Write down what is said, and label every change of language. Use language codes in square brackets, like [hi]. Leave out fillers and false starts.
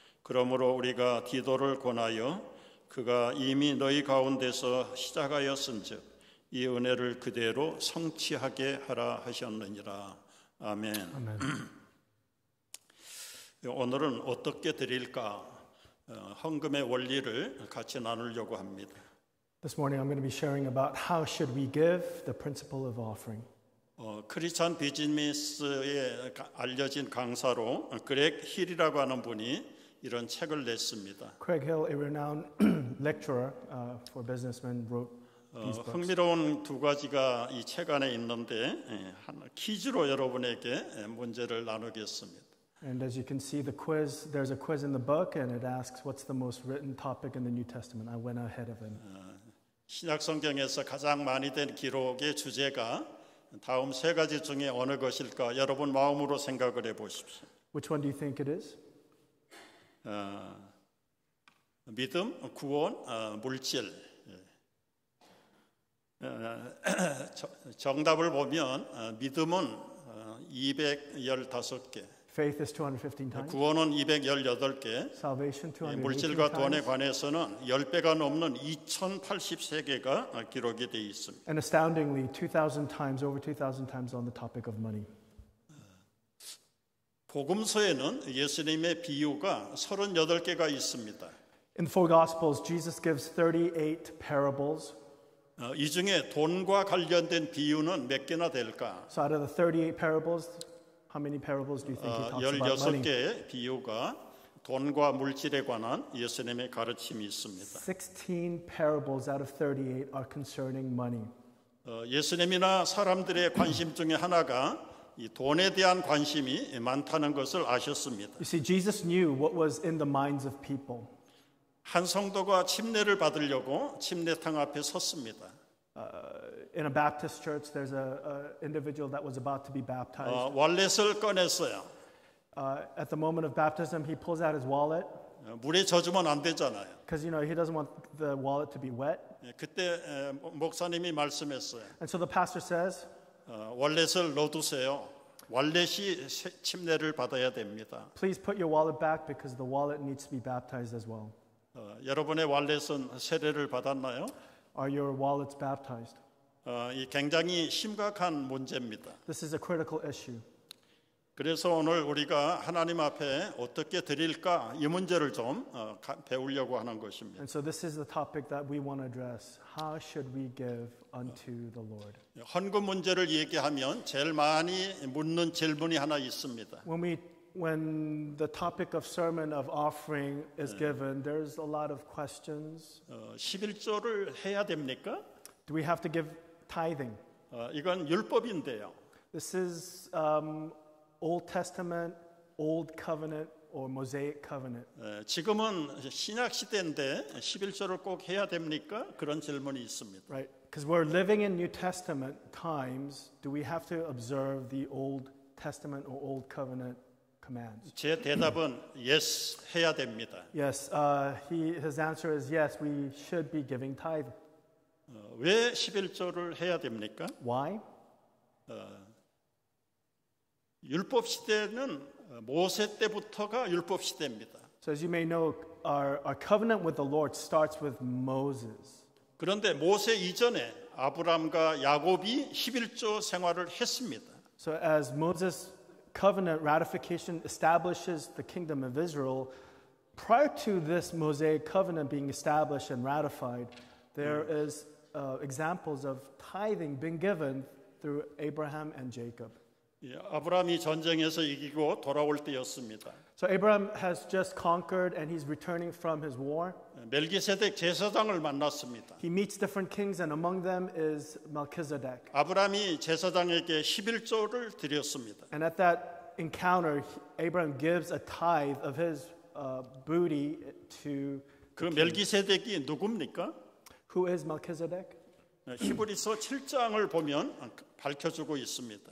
[ko] 그러므로 우리가 디도를 권하여 그가 이미 너희 가운데서 시작하였은즉 이 은혜를 그대로 성취하게 하라 하셨느니라. 아멘. 아멘. 오늘은 어떻게 드릴까? 헌금의 원리를 같이 나누려고 합니다. [en] This morning I'm going to be sharing about how should we give the principle of offering. [ko] 크리스천 비즈니스에 알려진 강사로 그렉 힐이라고 하는 분이 이런 책을 냈습니다. [en] Craig Hill, a renowned lecturer for businessmen, wrote these books. [ko] 흥미로운 두 가지가 이 책 안에 있는데 퀴즈로 여러분에게 문제를 나누겠습니다. [en] And as you can see, the quiz, there's a quiz in the book, and it asks, what's the most written topic in the New Testament? I went ahead of him. [ko] 신약성경에서 가장 많이 된 기록의 주제가 다음 세 가지 중에 어느 것일까? 여러분 마음으로 생각을 해보십시오. [en] Which one do you think it is? [ko] 믿음, 구원, 물질. 정답을 보면 믿음은 215개. [en] Faith is 215 times. [ko] 구원은 218개. [en] Salvation 218 [ko] 물질과 [en] times. [ko] 돈에 관해서는 10배가 넘는 2,083개가 기록이 돼 있습니다. [en] And astoundingly, 2,000 times, over 2,000 times on the topic of money. [ko] 복음서에는 예수님의 비유가 38개가 있습니다. [en] In the four Gospels, Jesus gives 38 parables. [ko] 이 중에 돈과 관련된 비유는 몇 개나 될까? [en] So out of the 38 parables. How many parables do you think he talks about money? [ko] 16개의 비유가 돈과 물질에 관한 예수님의 가르침이 있습니다. [en] 16 parables out of 38 are concerning money. [ko] 예수님이나 사람들의 관심 중에 하나가 이 돈에 대한 관심이 많다는 것을 아셨습니다. [en] You see, Jesus knew what was in the minds of people. [ko] 한 성도가 침례를 받으려고 침례탕 앞에 섰습니다. [en] In a Baptist church, there's an individual that was about to be baptized. [ko] 왈렛을 꺼냈어요. [en] At the moment of baptism, he pulls out his wallet. [ko] 물에 젖으면 안 되잖아요. [en] Because you know he doesn't want the wallet to be wet. [ko] 그때 목사님이 말씀했어요. [en] And so the pastor says, [ko] 왈렛을 넣어두세요. 왈렛이 침례를 받아야 됩니다. [en] Please put your wallet back because the wallet needs to be baptized as well. [ko] 여러분의 왈렛은 세례를 받았나요? [en] Are your wallets baptized? [ko] 이 굉장히 심각한 문제입니다. [en] This is a critical issue. [ko] 그래서 오늘 우리가 하나님 앞에 어떻게 드릴까 이 문제를 좀 배우려고 하는 것입니다. [en] And so this is the topic that we want to address. How should we give unto the Lord? [ko] 헌금 문제를 얘기하면 제일 많이 묻는 질문이 하나 있습니다. [en] When the topic of sermon of offering is given, there's a lot of questions. [ko] 십일조를 해야 됩니까? [en] Do we have to give tithing? [ko] 이건 율법인데요. [en] This is Old Testament, Old Covenant, or Mosaic Covenant. [ko] 지금은 신약 시대인데 십일조를 꼭 해야 됩니까? 그런 질문이 있습니다. [en] Right, because we're living in New Testament times. Do we have to observe the Old Testament or Old Covenant commands? [ko] 제 대답은 yes 해야 됩니다. [en] Yes, his answer is yes. We should be giving tithe. [ko] 왜 십일조를 해야 됩니까? [en] Why? [ko] 율법 시대는 모세 때부터가 율법 시대입니다. [en] So as you may know, our covenant with the Lord starts with Moses. [ko] 그런데 모세 이전에 아브라함과 야곱이 십일조 생활을 했습니다. [en] So as Moses' covenant ratification establishes the kingdom of Israel, prior to this Mosaic covenant being established and ratified, there is examples of tithing being given through Abraham and Jacob. [ko] 예, 아브라함이 전쟁에서 이기고 돌아올 때였습니다. [en] So Abraham has just conquered and he's returning from his war. [ko] 멜기세덱 제사장을 만났습니다. [en] He meets different kings and among them is Melchizedek. [ko] 아브라함이 제사장에게 십일조를 드렸습니다. [en] And at that encounter, Abraham gives a tithe of his booty to. [ko] 그 멜기세덱이 누굽니까? [en] Who is Melchizedek? [ko] 히브리서 7장을 보면 밝혀주고 있습니다.